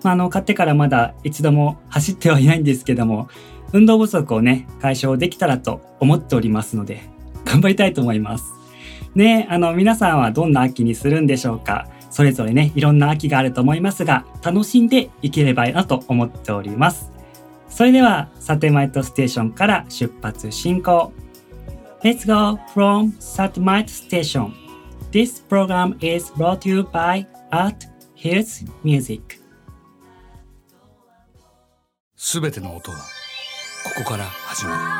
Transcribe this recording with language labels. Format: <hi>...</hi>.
<ja>買ってからまだ一度も走ってはいないんですけども運動不足をね解消できたらと思っておりますので頑張りたいと思いますね。皆さんはどんな秋にするんでしょうか。それぞれねいろんな秋があると思いますが楽しんでいければなと思っております。それではサテマイトステーションから出発進行。</ja> <en>Let's go from Satellite Station. This program is brought to you by Art Hills Music.</en> <ja>すべての音はここから始まる。</ja>